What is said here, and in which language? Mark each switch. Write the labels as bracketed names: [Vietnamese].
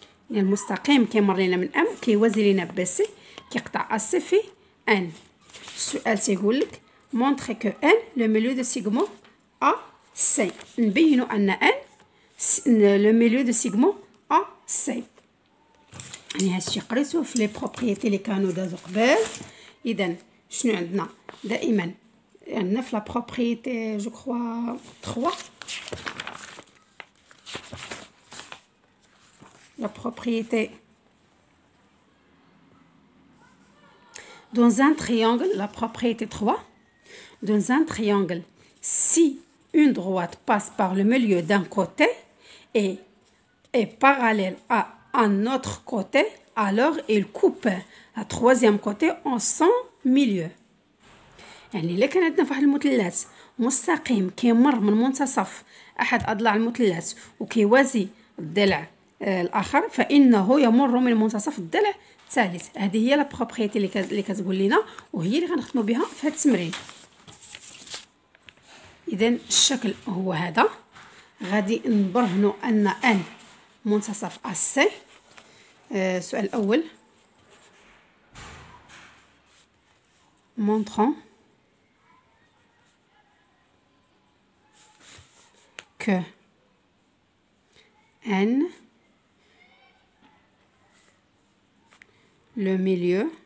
[Arabic] يعني المستقيم كيمر لينا من M كيوازي لينا BC كيقطع AC في N. السؤال تيقول لك [French] montre que N le milieu de segment AC. [Arabic] نبينوا ان [French] N le milieu de segment AC. [Arabic] يعني هادشي قريتو في لي بروبريتي اللي كانوا دازو قبل. اذا شنو عندنا دائما عندنا في [French] لا بروبريتي جو كوا 3 la propriété dans un triangle la propriété 3 dans un triangle si une droite passe par le milieu d'un côté et est parallèle à un autre côté alors il coupe la troisième côté en son milieu [Arabic] يعني إلا كان عندنا فواحد المثلث مستقيم كيمر من منتصف احد اضلاع المثلث وكيوازي الضلع الاخر فانه يمر من منتصف الضلع الثالث. هذه هي لا بروبريتي اللي كتقول لنا وهي اللي غنخدموا بها في هذا التمرين. اذا الشكل هو هذا. غادي نبرهنوا ان ان منتصف ا سي. السؤال الاول [French] مونطرون que N le milieu